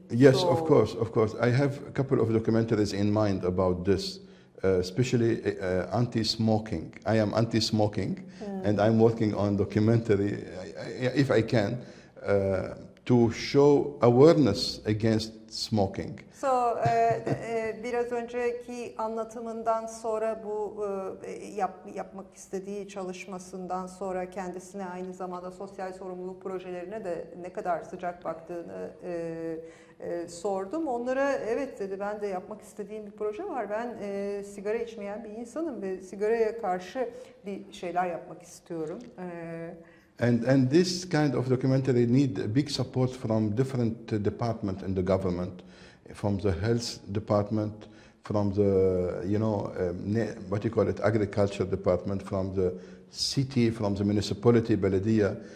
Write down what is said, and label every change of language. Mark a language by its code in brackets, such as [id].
[en] Yes, so, of course, of course. I have a couple of documentaries in mind about this, especially anti-smoking. I am anti-smoking, and I'm working on documentary, if I can, to show awareness against smoking. [tr] So, biraz önceki anlatımından sonra bu yapmak istediği çalışmasından sonra kendisine aynı zamanda sosyal sorumluluk projelerine de ne kadar sıcak baktığını sordum. Onlara evet dedi, ben de yapmak istediğim bir proje var. Ben sigara içmeyen bir insanım ve sigaraya karşı bir şeyler yapmak istiyorum. [en] And this kind of documentary need big support from different department in the government, from the health department, from the, you know, what you call it, agriculture department, from the city, from the municipality, belediye.